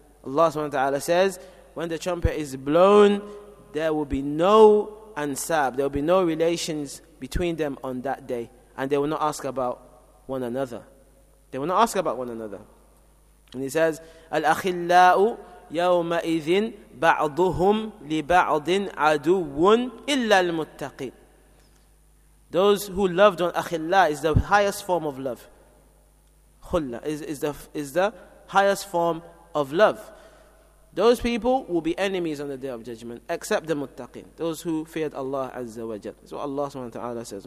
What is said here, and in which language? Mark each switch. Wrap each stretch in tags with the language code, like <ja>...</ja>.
<en>Allah subhanahu wa ta'ala says, when the trumpet is blown, there will be no ansab, there will be no relations between them on that day, and they will not ask about one another. They will not ask about one another. And he says,</en> <ar>الْأَخِلَّاءُ يَوْمَئِذٍ بَعْضُهُمْ لِبَعْضٍ عَدُوٌ إِلَّا الْمُتَّقِينَ.</ar> <en>Those who loved one, akhilla is the highest form of love. Khulla is the highest form of love. Those people will be enemies on the day of judgment, except the muttaqin, those who feared Allah Azza wa Jal. That's what Allah subhanahu wa ta'ala says.</en>